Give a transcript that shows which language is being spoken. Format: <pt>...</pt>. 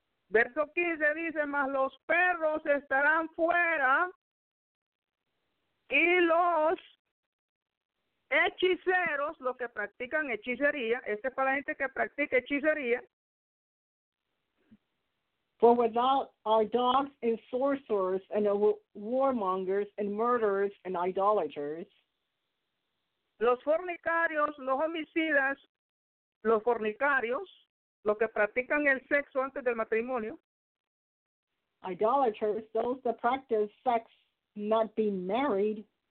<es>Verso 15 dice, mas los perros estarán fuera y los hechiceros, los que practican hechicería, este es para la gente que practica hechicería.</es> <en>For without are dogs and sorcerers and warmongers and murderers and idolaters.</en> <es>Los fornicarios, los homicidas, los fornicarios, los que practican el sexo antes del matrimonio.</es> <en>Idolaters, those that practice sex not being married.</en>